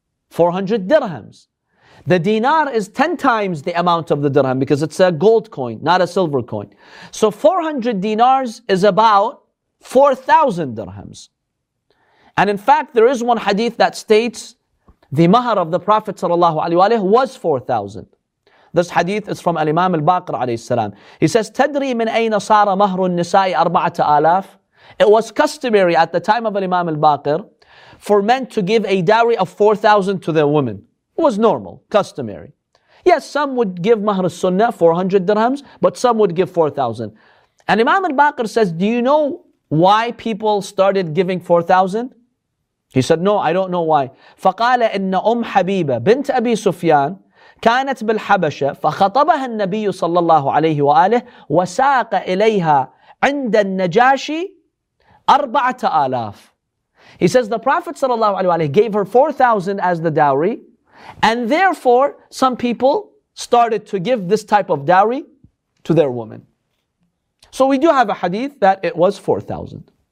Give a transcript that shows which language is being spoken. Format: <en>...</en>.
<en>400 dirhams. The dinar is 10 times the amount of the dirham, because it's a gold coin, not a silver coin. So 400 dinars is about 4,000 dirhams. And in fact, there is one hadith that states the mahar of the Prophet sallallahu alaihi wa alayhi was 4,000. This hadith is from Al-Imam Al-Baqir alayhi salam. He says,</en> <ar>تَدْرِي مِنْ أَيْنَ صَارَ مَهْرُ النِّسَاءِ أَرْبَعَةَ آلَافِ.</ar> <en>It was customary at the time of Al-Imam Al-Baqir for men to give a dowry of 4,000 to their women. It was normal, customary. Yes, some would give mahr al-sunnah, 400 dirhams, but some would give 4,000. And Imam Al-Baqir says, do you know why people started giving 4,000? He said, no, I don't know why.</en> <ar>فَقَالَ إِنَّ حَبِيبَ بِنْتَ أَبِي سُفْيَانَ كانت بالحبشة فخطبها النبي صلى الله عليه وآله وساق إليها عند النجاشي 4,000.</ar> <en>He says the Prophet</en> <ar>صلى الله عليه وآله</ar> <en>gave her 4,000 as the dowry, and therefore some people started to give this type of dowry to their woman. So we do have a hadith that it was 4,000.</en>